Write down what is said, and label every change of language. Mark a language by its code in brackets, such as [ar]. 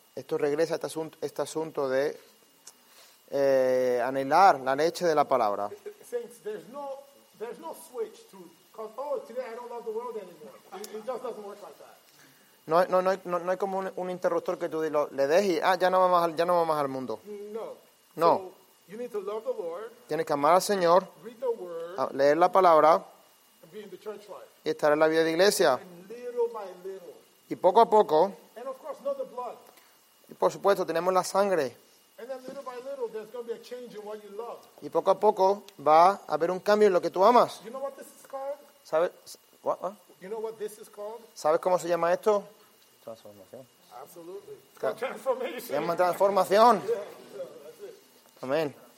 [es] Esto regresa a este asunto de anhelar la leche de la palabra. [en] Saints, there's no switch to cause, oh, today I don't love the world anymore. It just doesn't work like that. [es] No hay como un interruptor que tú le des y ya no va más al mundo. No. No. [en] You need to love the Lord, [es] tienes que amar al Señor, [en] read the word, [es] leer la palabra [en] and be in the church life, [es] y estar en la vida de iglesia. [en] And little by little. [es] Y poco a poco, [en] and of course, not the blood. [es] Y por supuesto, tenemos la sangre. [en] And then little by little, there's gonna be a change in what you love. [es] Y poco a poco va a haber un cambio en lo que tú amas. [en] You know what this is called? [es] ¿Sabes? [en] ¿What? You know what this is called? [es] ¿Sabes cómo se llama esto? Transformación. [en] Absolutely. Transformation. [es] Se llama transformación. Amén.